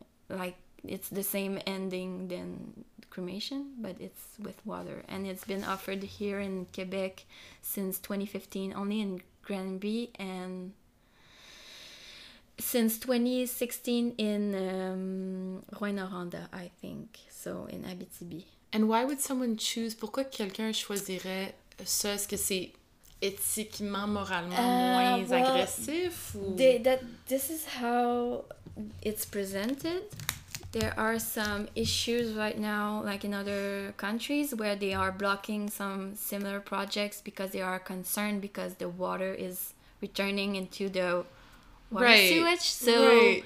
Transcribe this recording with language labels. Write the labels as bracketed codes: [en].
[en] Like it's the same ending than cremation, but it's with water, and it's been offered here in Quebec since 2015, only in Granby, and since 2016 in Rouyn-Noranda, I think, so in Abitibi. And why would someone choose, [fr] pourquoi quelqu'un choisirait ça? Est-ce que c'est éthiquement, moralement moins agressif? Ou... [en] This is how it's presented. There are some issues right now, like in other countries, where they are blocking some similar projects because they are concerned because the water is returning into the water sewage.